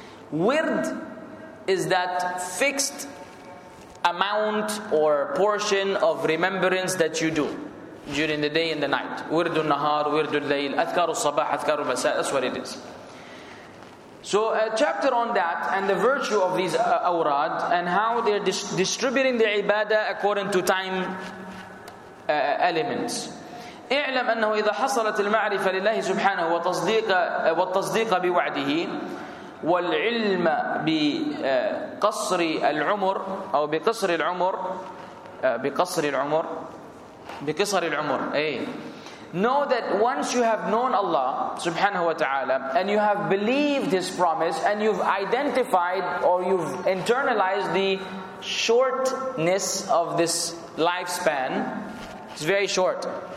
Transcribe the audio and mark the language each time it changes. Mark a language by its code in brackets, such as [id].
[en] Wird is that fixed amount or portion of remembrance that you do during the day and the night. [ar] Wirdun nahar, wirdun layl, adhkaru sabah, adhkaru masa, [en] that's what it is. So a chapter on that and the virtue of these awrad and how they're distributing the ibadah according to time elements. [ar] اعلم أنه إذا حصلت المعرفة لله سبحانه والتصديق بوعده والعلم بقصر العمر أو بقصر العمر بقصر العمر بقصر العمر أي. [en] Know that once you have known Allah سبحانه وتعالى and you have believed His promise and you've identified or you've internalized the shortness of this lifespan, it's very short.